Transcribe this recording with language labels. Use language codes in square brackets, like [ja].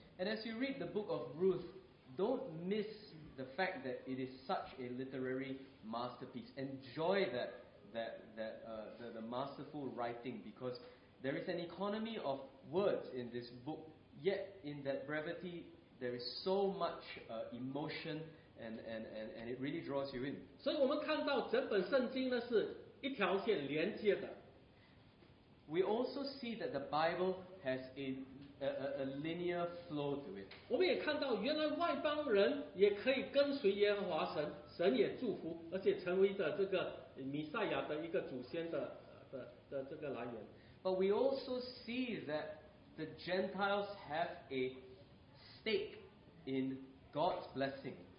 [en] And as you read the book of Ruth, don't miss the fact that it is such a literary masterpiece. Enjoy the masterful writing, because there is an economy of words in this book, yet in that brevity, there is so much emotion and it really draws you in. [zh] 所以我们看到整本圣经呢是一条线连接的。 [en] We also see that the Bible has a linear flow to it. [zh] 我们也看到原来外邦人也可以跟随耶和华神，神也祝福，而且成为的这个弥赛亚的一个祖先的这个来源。 [en] But we also see that the Gentiles have a stake in God's blessing.